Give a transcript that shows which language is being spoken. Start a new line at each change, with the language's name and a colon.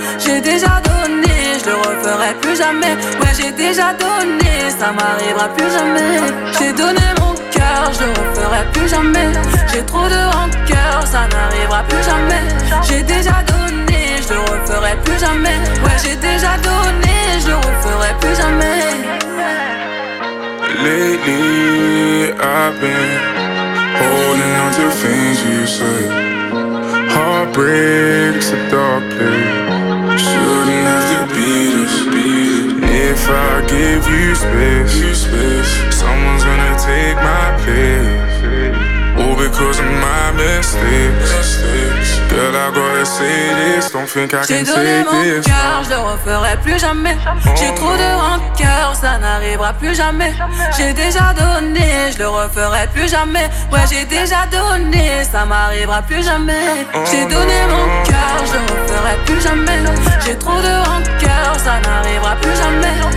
French: J'ai déjà donné, je le referai plus jamais. Ouais, j'ai déjà donné, ça m'arrivera plus jamais. J'ai donné mon cœur, je le referai plus jamais. J'ai trop de rancœur, ça n'arrivera plus jamais. J'ai déjà donné, je le referai plus jamais. Ouais, j'ai déjà donné, je le referai plus jamais.
English: Lately, I've been holding on to things you say. Heartbreak's a dark place. Shouldn't have to be this beat. If I give you space, someone's gonna take my place. All because of my mistakes. Girl, I gotta say this, don't think I
French: j'ai
English: can take this.
French: J'ai donné mon cœur, je le referai plus jamais. J'ai trop de rancœur, ça n'arrivera plus jamais. J'ai déjà donné, je le referai plus jamais. Ouais, j'ai déjà donné, ça m'arrivera plus jamais. J'ai donné mon cœur, je le referai plus jamais. J'ai trop de rancœur, ça n'arrivera plus jamais.